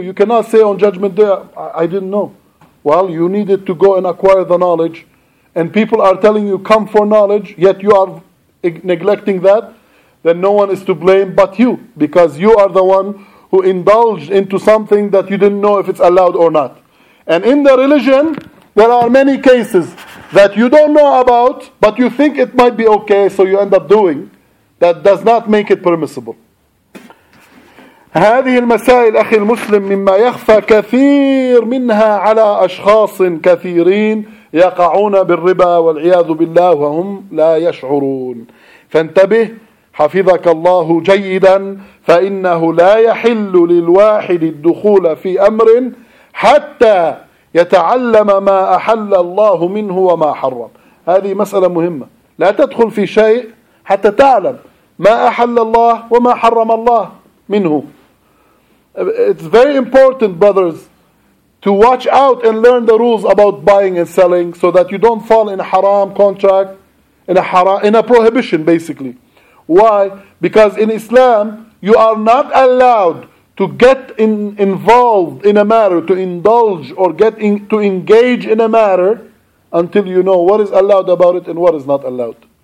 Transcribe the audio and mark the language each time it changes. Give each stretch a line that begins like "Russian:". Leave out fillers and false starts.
English: You cannot say on judgment day, I didn't know. Well, you needed to go and acquire the knowledge, and people are telling you come for knowledge, yet you are neglecting that, then no one is to blame but you, because you are the one who indulged into something that you didn't know if it's allowed or not. And in the religion, there are many cases that you don't know about, but you think it might be okay, so you end up doing. That does not make it permissible.
Arabic: هذه المسائل أخي المسلم مما يخفى كثير منها على أشخاص كثيرين يقعون بالربا والعياذ بالله وهم لا يشعرون، فانتبه حفظك الله جيدا فإنه لا يحل للواحد الدخول في أمر حتى يتعلم ما أحل الله منه وما حرم. هذه مسألة مهمة، لا تدخل في شيء حتى تعلم ما أحل الله وما حرم الله منه.
English: It's very important, brothers, to watch out and learn the rules about buying and selling so that you don't fall in a haram contract, in a prohibition, basically. Why? Because in Islam, you are not allowed to get involved in a matter, to indulge or to engage in a matter until you know what is allowed about it and what is not allowed.